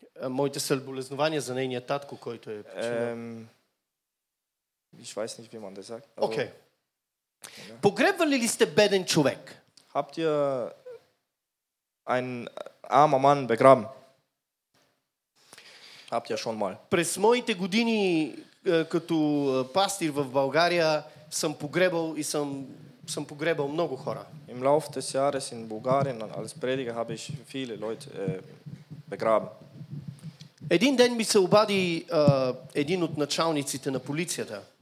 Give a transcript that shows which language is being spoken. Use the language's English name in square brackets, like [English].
[Bulgarian] Моите съболезнования за нейния татко, който е починал. [German] Ich weiß nicht, wie man das sagt. Aber... Okay. [Bulgarian] Погребвали ли сте беден човек? [German] Habt ihr einen armen Mann begraben? Habt ihr schon mal? [Bulgarian] През моите години като пастир в България съм погребал и съм погребал много хора. [German] Im Lauf des Jahres in Bulgarien als Prediger habe ich viele Leute begraben. [Bulgarian] Един ден ми се обади един от началниците на полицията.